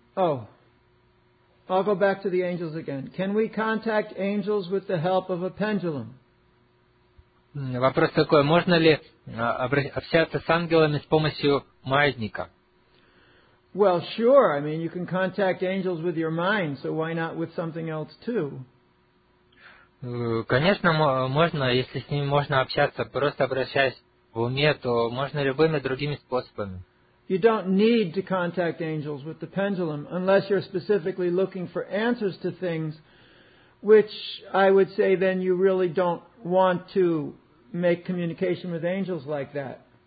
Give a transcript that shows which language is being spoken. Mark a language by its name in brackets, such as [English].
[English] Oh, I'll go back to the angels again. Can we contact angels with the help of a pendulum? [Russian] Вопрос такой: можно ли общаться с ангелами с помощью маятника? [English] Well, sure. I mean, you can contact angels with your mind, so why not with something else too? [Russian] Конечно, можно, если с ними можно общаться, просто обращаясь в уме, то можно любыми другими способами. [English] You don't need to contact angels with the pendulum unless you're specifically looking for answers to things, which I would say then you really don't want to make communication with angels like that.